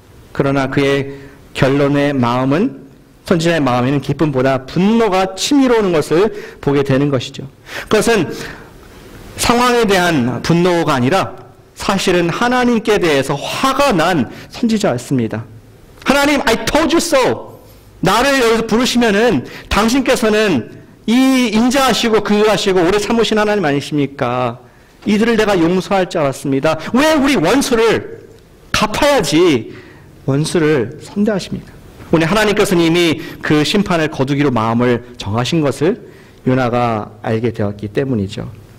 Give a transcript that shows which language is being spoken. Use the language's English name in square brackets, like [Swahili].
[Korean] 그러나 그의 결론의 마음은 선지자의 마음에는 기쁨보다 분노가 치밀어오는 것을 보게 되는 것이죠. 그것은 상황에 대한 분노가 아니라 사실은 하나님께 대해서 화가 난 선지자였습니다. [English] 하나님, I told you so. [Korean] 나를 여기서 부르시면은 당신께서는 이 인자하시고 긍휼하시고 오래 참으신 하나님 아니십니까? 이들을 내가 용서할 줄 알았습니다. 왜 우리 원수를 갚아야지 원수를 선대하십니까? 오늘 하나님께서는 이미 그 심판을 거두기로 마음을 정하신 것을 요나가 알게 되었기 때문이죠.